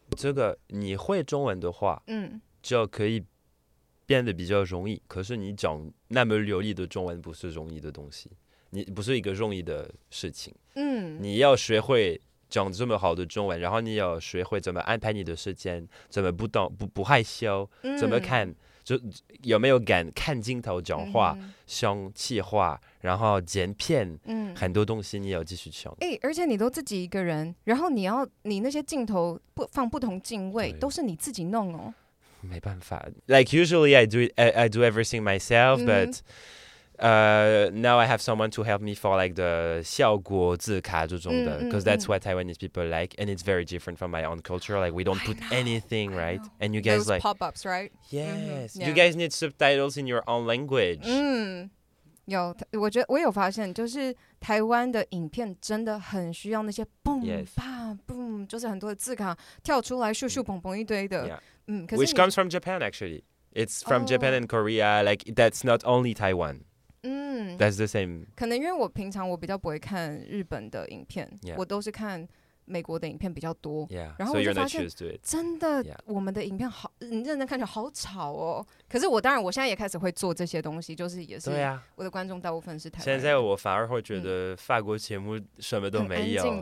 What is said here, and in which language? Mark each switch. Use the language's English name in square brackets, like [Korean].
[Chinese] 这个你会中文的话、嗯、就可以变得比较容易，可是你讲那么流利的中文不是容易的东西，你不是一个容易的事情、嗯、你要学会讲这么好的中文，然后你要学会怎么安排你的时间，怎么 不害羞、嗯、怎么看就有没有敢看镜头讲话、嗯、想企划然后剪片、嗯、很多东西你要继续想、欸、而且你都自己一个人，然后你要你那些镜头不放不同镜位都是你自己弄哦，没办法 [English] like usually I do everything myself、嗯、but now I have someone to help me for like the [Chinese] 效果字卡这种的 [English] because、嗯、that's what Taiwanese people like and it's very different from my own culture like we don't put anything right and you guys those like pop-ups right yes、mm-hmm. yeah. you guys need subtitles in your own language、 [Chinese] 嗯、有 我有发现就是台湾的影片真的很需要那些 boom、 [English] yes. [Chinese] boom 就是很多的字卡跳出来咻咻蹦蹦一堆的、 [English] yeah. 嗯、可是 which comes from Japan actually it's from、oh. Japan and Korea like that's not only Taiwan嗯 That's the same [Chinese] 可能因为我平常我比较不会看日本的影片、 [English] yeah. [Chinese] 我都是看美国的影片比较多 [English] yeah, [Chinese] 然后我就发现、so、真的、yeah. 我们的影片好你认真看起来好吵哦，可是我当然我现在也开始会做这些东西，就是也是对、啊、我的观众大部分是台湾，现在我反而会觉得法国节目什么都没有、嗯、